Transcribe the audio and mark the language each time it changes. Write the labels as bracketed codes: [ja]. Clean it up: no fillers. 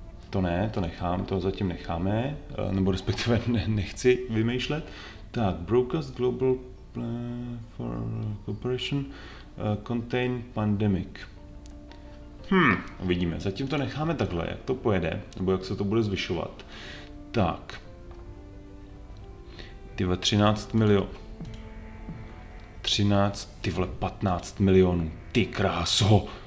[cs] To ne, to nechám, to zatím necháme, nebo respektive nechci vymýšlet. [en] Tak, broadcast global plan for cooperation, contain pandemic. [cs] Uvidíme, zatím to necháme takhle, jak to pojede, nebo jak se to bude zvyšovat. Tak. Ty vole, 13 milionů. 13, ty vole, 15 milionů, ty kráso.